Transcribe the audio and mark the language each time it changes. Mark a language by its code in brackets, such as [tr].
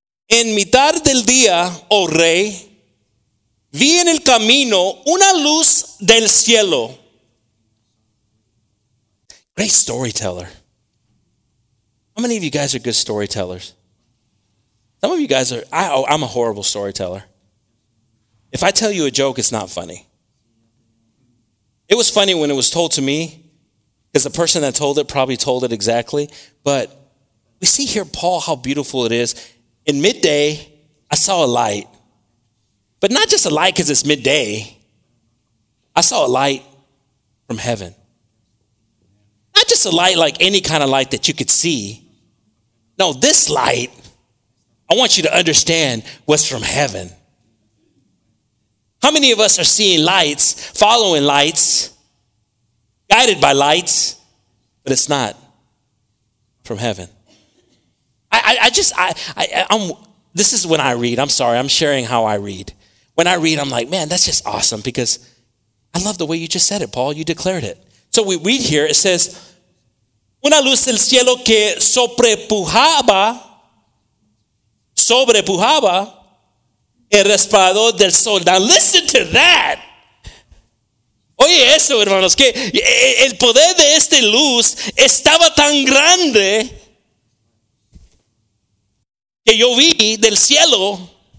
[es] En mitad del día, oh rey, vi en el camino una luz del cielo. [en] Great storyteller. How many of you guys are good storytellers? Some of you guys are, I'm a horrible storyteller. If I tell you a joke, it's not funny. It was funny when it was told to me, because the person that told it probably told it exactly. But we see here, Paul, how beautiful it is. In midday, I saw a light. But not just a light because it's midday. I saw a light from heaven. Not just a light like any kind of light that you could see. No, this light, I want you to understand, was from heaven. How many of us are seeing lights, following lights, guided by lights, but it's not from heaven? This is when I read. I'm sorry. I'm sharing how I read. When I read, I'm like, man, that's just awesome, because I love the way you just said it, Paul. You declared it. So we read here. It says, [es] una luz del cielo que sobrepujaba el resplandor del sol. [en] Now listen to that. [es] Oye eso, hermanos, que el poder de esta luz estaba tan grande que yo vi del cielo.